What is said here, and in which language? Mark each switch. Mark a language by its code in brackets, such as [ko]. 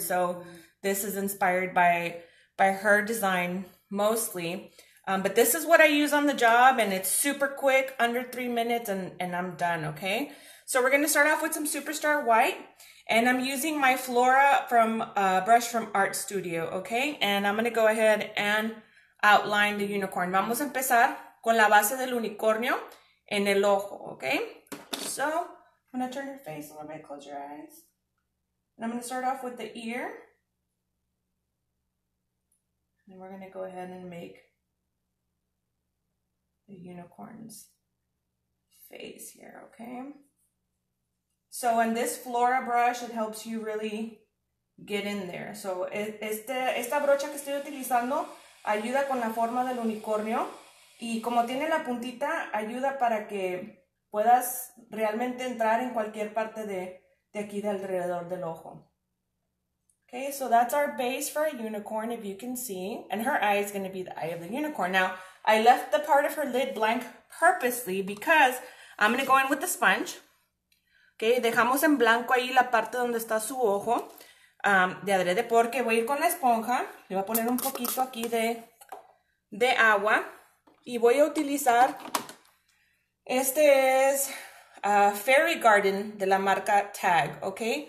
[en] So this is inspired by her design mostly. But this is what I use on the job, and it's super quick, under 3 minutes, and I'm done, okay? So we're gonna start off with some Superstar White, and I'm using my Flora from brush from Art Studio, okay? And I'm gonna go ahead and outline the unicorn. [es] Vamos a empezar con la base del unicornio en el ojo, okay? [en] So I'm gonna turn your face a little bit, close your eyes. And I'm gonna start off with the ear. And we're gonna go ahead and make the unicorn's face here, okay? So in this Flora brush, it helps you really get in there. [es] So esta brocha que estoy utilizando ayuda con la forma del unicornio. Y como tiene la puntita, ayuda para que puedas realmente entrar en cualquier parte de aquí de alrededor del ojo. [en] Okay, so that's our base for a unicorn, if you can see. And her eye is going to be the eye of the unicorn. Now, I left the part of her lid blank purposely because I'm going to go in with the sponge. [es] Okay, dejamos en blanco ahí la parte donde está su ojo. De adrede porque voy a ir con la esponja. Le voy a poner un poquito aquí de agua. Y voy a utilizar, este es Fairy Garden de la marca Tag, ¿ok?